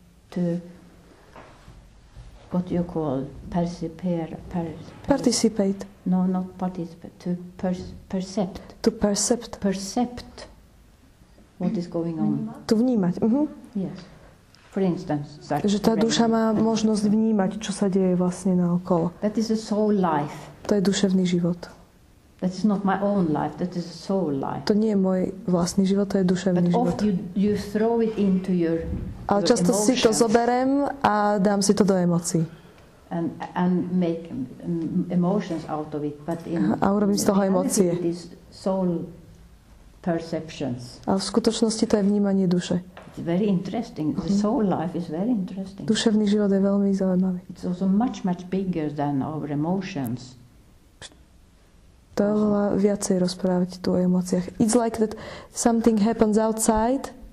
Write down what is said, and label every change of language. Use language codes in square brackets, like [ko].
[en] To what you call participate. No, not participate, to percept. To percept. Percept what is going on. [sk] To vnímať. Uh-huh. [en] Yes. For instance, that. [sk] Že tá duša má možnosť vnímať, čo sa deje vlastne naokolo. [en] That is a soul life. [sk] To je duševný život. [en] That is not my own life, that is a soul life. [sk] To nie je môj vlastný život, to je duševný [en] but [sk] život. [en] But often you throw it into your emotions. [sk] Ale často si to zoberem a dám si to do emocií. [en] And make emotions out of it, but in [sk] a urobím z toho emócie. [en] Soul perceptions. [sk] A v skutočnosti to je vnímanie duše. [en] It's very interesting. The soul life is very interesting. [sk] Duševný život je veľmi zaujímavý. [en] It's also much, much bigger than our emotions. [sk] To je veľa viacej rozprávať tu o emóciách. [en] It's like that something happens outside